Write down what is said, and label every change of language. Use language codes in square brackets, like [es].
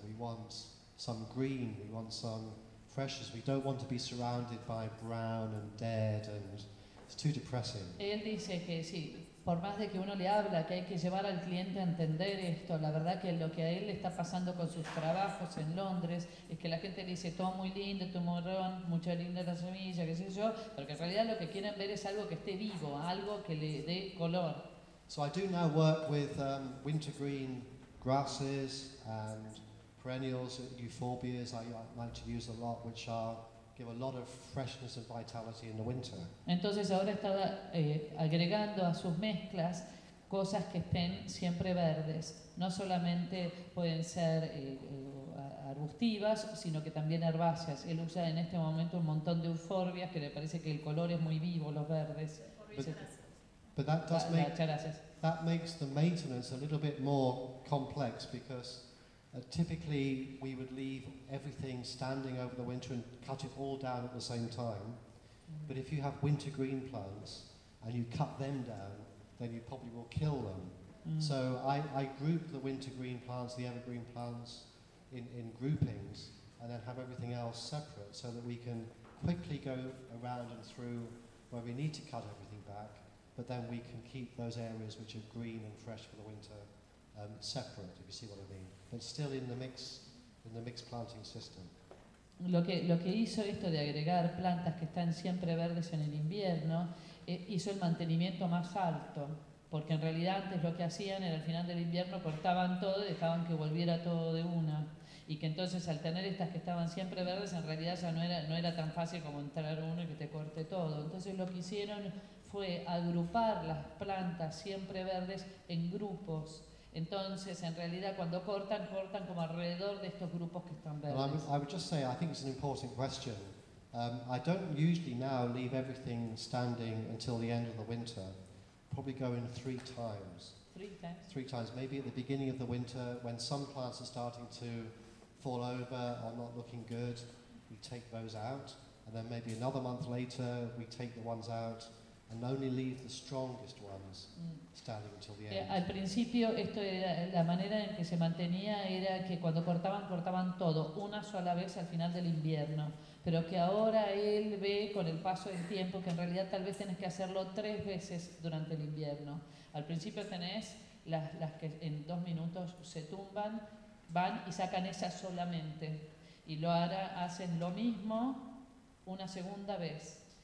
[en] We want some green. We want some freshness. We don't want to be surrounded by brown and dead and too depressing. [es] Él dice que sí, por más de que uno le habla que hay que llevar al cliente a entender esto, la verdad que lo que a él le está pasando con sus trabajos en Londres es que la gente dice todo muy lindo, tu morrón, mucha linda la semilla, qué sé yo, pero que en realidad lo que quieren ver es algo que esté vivo, algo que le dé color. [en] So I do now work with wintergreen grasses and perennials, euphorbias I like to use a lot, which are give a lot of freshness and vitality in the winter. [es] Entonces ahora está agregando a sus mezclas cosas que estén siempre verdes. No solamente pueden ser arbustivas, sino que también herbáceas. Él usa en este momento un montón de euforbias que le parece que el color es muy vivo, los verdes. [en] But that does that makes the maintenance a little bit more complex because typically, we would leave everything standing over the winter and cut it all down at the same time. But if you have wintergreen plants and you cut them down, then you probably will kill them. So I group the wintergreen plants, the evergreen plants, in groupings and then have everything else separate so that we can quickly go around and through where we need to cut everything back. back, but then we can keep those areas which are green and fresh for the winter separate, if you see what I mean, but still in the mixed planting system. Lo que hizo esto de agregar plantas que están siempre verdes en el invierno, hizo el mantenimiento más alto, porque en realidad antes lo que hacían era al final del invierno cortaban todo y dejaban que volviera todo de una. Y que entonces al tener estas que estaban siempre verdes, en realidad ya no era tan fácil como entrar uno y que te corte todo. Entonces lo que hicieron fue agrupar las plantas siempre verdes en grupos. Entonces, en realidad, cuando cortan, cortan como alrededor de estos grupos que están verdes. Well, I would just say, I think it's an important question. I don't usually now leave everything standing until the end of the winter. Probably go in three times. Three times? Three times. Maybe at the beginning of the winter, when some plants are starting to fall over or not looking good, we take those out. And then maybe another month later, we take the ones out. And only leave the strongest ones standing until the end. [es] Al principio esto era la manera en que se mantenía era que cuando cortaban cortaban todo una sola vez al final del invierno, pero que ahora él ve con el paso del tiempo que en realidad tal vez tenés que hacerlo tres veces durante el invierno. Al principio tenés las que en dos minutos se tumban, van y sacan esas solamente y lo hará hacen lo mismo una segunda vez.